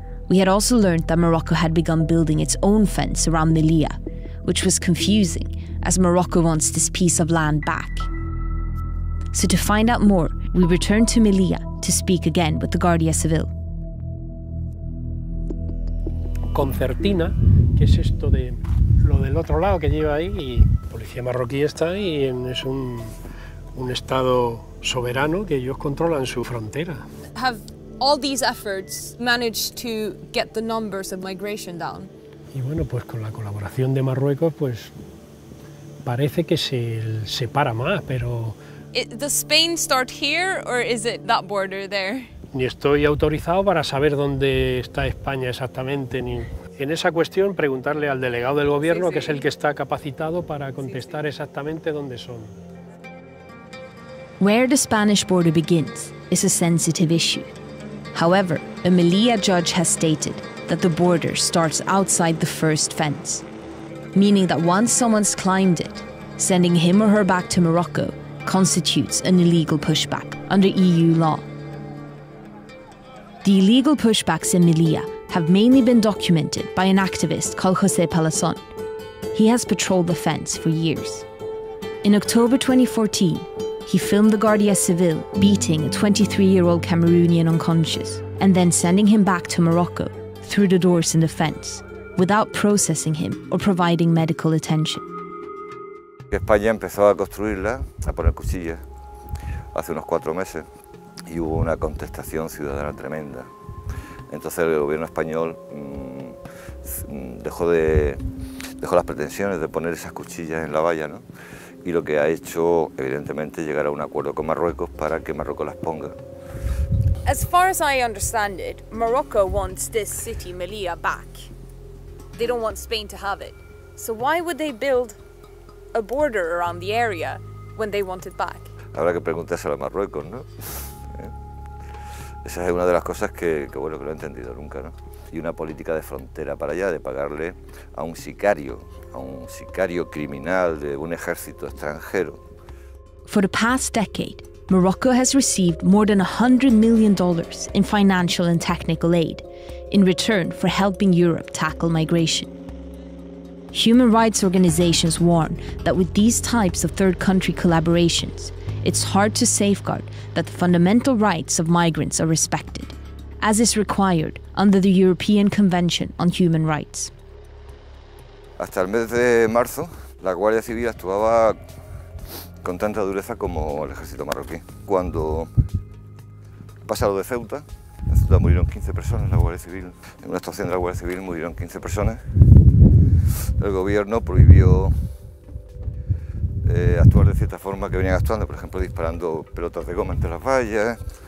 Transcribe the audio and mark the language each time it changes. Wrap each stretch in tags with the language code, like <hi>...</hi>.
<en>We had also learned that Morocco had begun building its own fence around Melilla, which was confusing, as Morocco wants this piece of land back. So to find out more, we returned to Melilla to speak again with the Guardia Civil.</en> <es>Concertina, ¿qué es esto de lo del otro lado que lleva ahí? Y policía marroquí está y es un estado soberano que ellos controlan su frontera.</es> <en>Have all these efforts managed to get the numbers of migration down?</en> <es>Y bueno, pues con la colaboración de Marruecos, pues parece que se para más, pero...</es> <en>Does Spain start here or is it that border there?</en> <es>Ni estoy autorizado para saber dónde está España exactamente ni... En esa cuestión, preguntarle al delegado del gobierno, sí, sí, que es el que está capacitado para contestar, sí, sí, exactamente dónde son.</es> <en>Where the Spanish border begins is a sensitive issue. However, a Melilla judge has stated that the border starts outside the first fence, meaning that once someone's climbed it, sending him or her back to Morocco constitutes an illegal pushback under EU law. The illegal pushbacks in Melilla have mainly been documented by an activist called José Palazón. He has patrolled the fence for years. In October 2014, he filmed the Guardia Civil beating a 23-year-old Cameroonian unconscious and then sending him back to Morocco through the doors in the fence without processing him or providing medical attention.</en> <es>España empezó a construirla, a poner cuchillas, hace unos 4 meses y hubo una contestación ciudadana tremenda. Entonces el gobierno español dejó las pretensiones de poner esas cuchillas en la valla, ¿no? Y lo que ha hecho, evidentemente, llegar a un acuerdo con Marruecos para que Marruecos las ponga.</es> <en>As far as I understand it, Morocco wants this city, Melilla, back. They don't want Spain to have it. So why would they build a border around the area when they want it back?</en> <es>Habrá que preguntárselo a Marruecos, ¿no? Esa es una de las cosas que bueno, que no he entendido nunca, ¿no? Y una política de frontera para allá, de pagarle a un sicario criminal de un ejército extranjero.</es> <en>For the past decade, Morocco has received more than $100 million in financial and technical aid in return for helping Europe tackle migration. Human rights organizations warn that with these types of third country collaborations, it's hard to safeguard that the fundamental rights of migrants are respected, as is required under the European Convention on Human Rights.</en> <es>Hasta el mes de marzo, la Guardia Civil actuaba con tanta dureza como el ejército marroquí. Cuando pasa lo de Ceuta, en Ceuta murieron 15 personas, la Guardia Civil. En una actuación de la Guardia Civil murieron 15 personas. El gobierno prohibió actuar de cierta forma que venían actuando, por ejemplo, disparando pelotas de goma entre las vallas.</es>